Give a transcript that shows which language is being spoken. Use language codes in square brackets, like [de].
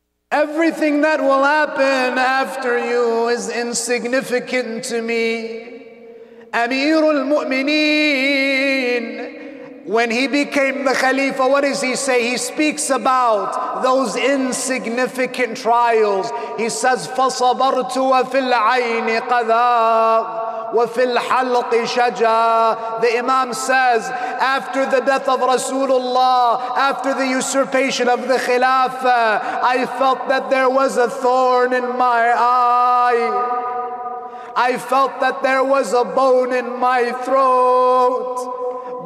[en] Everything that will happen after you is insignificant to me. Amir al-Mu'mineen, when he became the Khalifa, what does he say? He speaks about those insignificant trials. He says, [ar] فَصَبَرْتُ وَفِي الْعَيْنِ قَذَاءٌ وَفِي الْحَلْقِ شَجَاءٌ. [en] The Imam says, after the death of Rasulullah, after the usurpation of the Khilafa, I felt that there was a thorn in my eye. I felt that there was a bone in my throat.